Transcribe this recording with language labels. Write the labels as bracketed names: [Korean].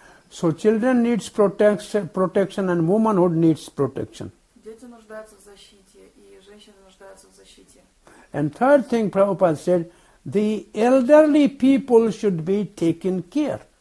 [English] So children needs protection and womanhood needs protection. [Russian] Дети нуждаются в защите и женщины нуждаются в защите. [English] And third thing Prabhupada said, the elderly people should be taken care.